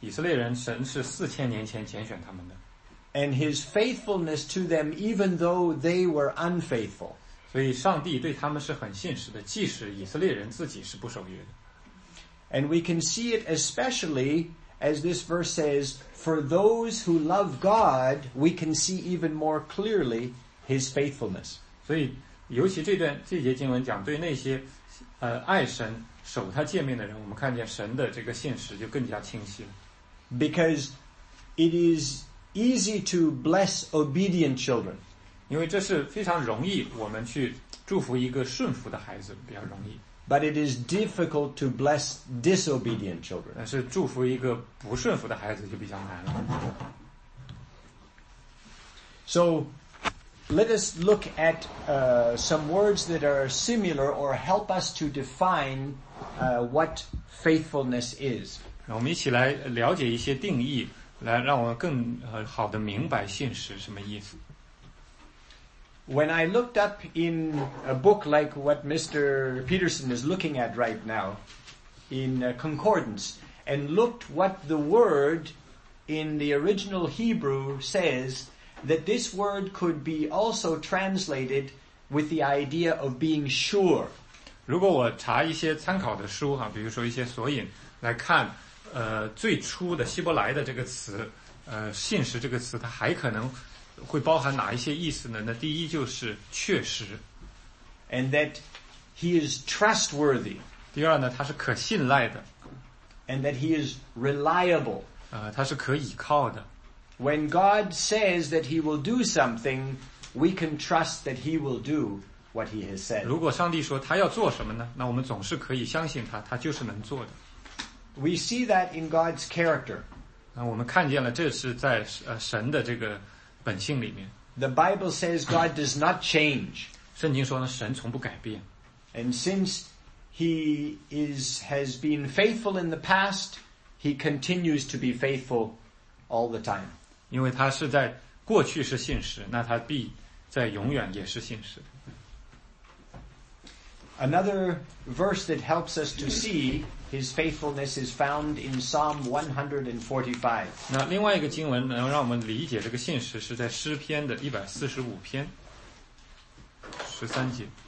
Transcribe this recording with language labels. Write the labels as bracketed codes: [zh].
[zh] 我们看见犹太人，那以色列人，神是4000年前拣选他们的。 [en] And his faithfulness to them even though they were unfaithful. [zh] 所以上帝对他们是很信实的，即使以色列人自己是不守约的。 [en] And we can see it especially as this verse says, for those who love God, we can see even more clearly his faithfulness. [zh] 所以尤其这节经文讲对那些爱神守他诫命的人，我们看见神的这个信实就更加清晰了。 [en] Because it is easy to bless obedient children. [zh] 因为这是非常容易我们去祝福一个顺服的孩子，比较容易。 [en] But it is difficult to bless disobedient children. [zh] 但是祝福一个不顺服的孩子就比较难了。 [en] So, let us look at, some words that are similar or help us to define, what faithfulness is. [zh] 让我们一起来了解一些定义，来让我们更好的明白信实什么意思。 [en] When I looked up in a book like what Mr. Peterson is looking at right now, in Concordance, and looked what the word in the original Hebrew says, that this word could be also translated with the idea of being sure. [zh] 如果我查一些参考的书，比如说一些索引，来看最初的希伯来的这个词，信实这个词，它还可能会包含哪一些意思呢？那第一就是确实。 [en] And that he is trustworthy. [zh] 第二呢，他是可信赖的。 [en] And that he is reliable. [zh] 他是可倚靠的。 [en] When God says that he will do something, we can trust that he will do what he has said. [zh] 如果上帝说他要做什么呢？那我们总是可以相信他，他就是能做的。 [en] We see that in God's character. [zh] 那我们看见了，这是在神的这个本性里面。 [en] The Bible says God does not change. [zh] 圣经说呢，神从不改变。 [en] And since he has been faithful in the past, he continues to be faithful all the time. [zh] 因为他是在过去是信实，那他必在永远也是信实。 [en] Another verse that helps us to see his faithfulness is found in Psalm 145. [zh] 那另外一个经文能让我们理解这个信实是在诗篇的145篇13节。